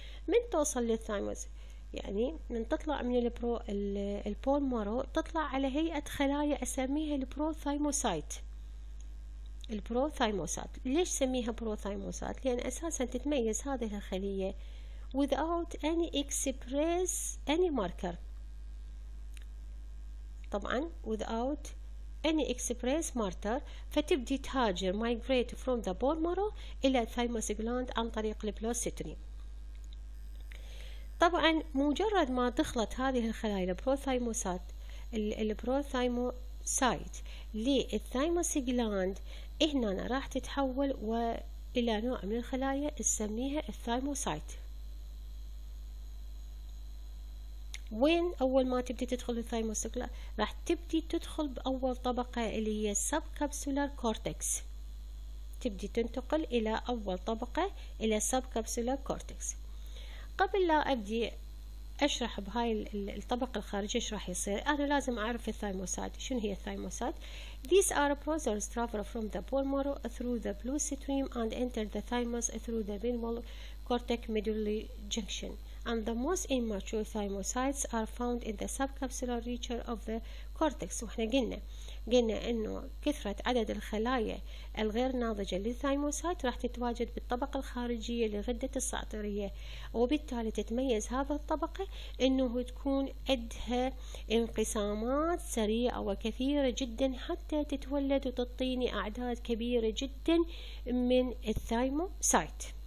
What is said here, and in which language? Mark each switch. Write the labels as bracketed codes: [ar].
[ar] من توصل للثايموس يعني من تطلع من البولمرة تطلع على هيئة خلايا أسميها البروثايموسايت. البروثايموسايت ليش سميها بروثايموسايت؟ لأن أساسا تتميز هذه الخلية [en] without any express any marker. [ar] طبعا [en] without any express marker [ar] فتبدي تهاجر [en] migrate from the bone marrow [ar] الى thymus gland عن طريق البلوستري. طبعا مجرد ما دخلت هذه الخلايا البروثايموسات البروثايموسايت للثايموس جلاند هنا راح تتحول الى نوع من الخلايا نسميها الثايموسايت. وين اول ما تبدي تدخل الثايموس جلاند؟ راح تبدي تدخل باول طبقه اللي هي سب كابسولار كورتكس. تبدي تنتقل الى اول طبقه الى سب كابسولار كورتكس. قبل لا ابدي اشرح بهاي الطبقه الخارجيه ايش راح يصير، انا لازم اعرف الثايموسايت. شنو هي الثايموسايت؟ [en] These are prozers travel from the bone marrow through the bloodstream and enter the thymus through the minimal cortex medullary junction. And the most immature thymocytes are found in the subcapsular region of the cortex. [ar] وإحنا قلنا إنه كثرة عدد الخلايا الغير ناضجة للثايموسايت راح تتواجد بالطبقة الخارجية لغدة الساطرية، وبالتالي تتميز هذه الطبقة إنه تكون أدها انقسامات سريعة وكثيرة جدا حتى تتولد وتعطيني أعداد كبيرة جدا من الثايموسايت.